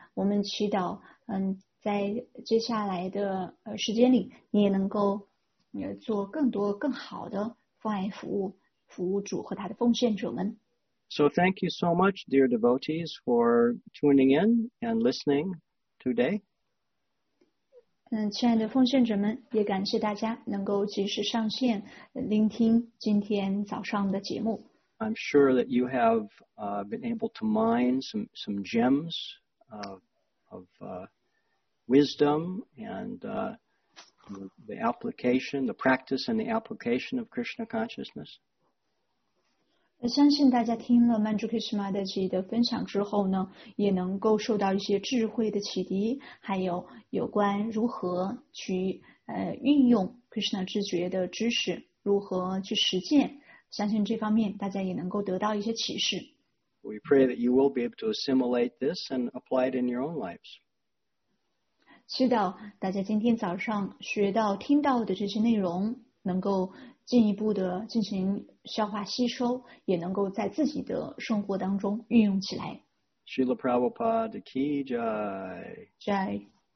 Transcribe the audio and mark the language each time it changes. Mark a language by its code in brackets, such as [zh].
[zh] 我们祈祷在接下来的时间里，你也能够做更多更好的关爱服务主和他的奉献者们。 [en] So thank you so much, dear devotees, for tuning in and listening today. [zh] 亲爱的奉献者们，也感谢大家能够及时上线聆听今天早上的节目。 [en] I'm sure that you have been able to mine some gems of wisdom and the application, the practice and the application of Krishna consciousness. [zh] 相信大家听了 Manju Krishna Dashi 的分享之后呢，也能够受到一些智慧的启迪，还有有关如何去运用 Krishna 智觉的知识，如何去实践，相信这方面大家也能够得到一些启示。 [en] We pray that you will be able to assimilate this and apply it in your own lives. [zh] 是的，大家今天早上学到、听到的这些内容，能够进一步的进行消化吸收，也能够在自己的生活当中运用起来。 [hi] Srila Prabhupada ki jai. Jai.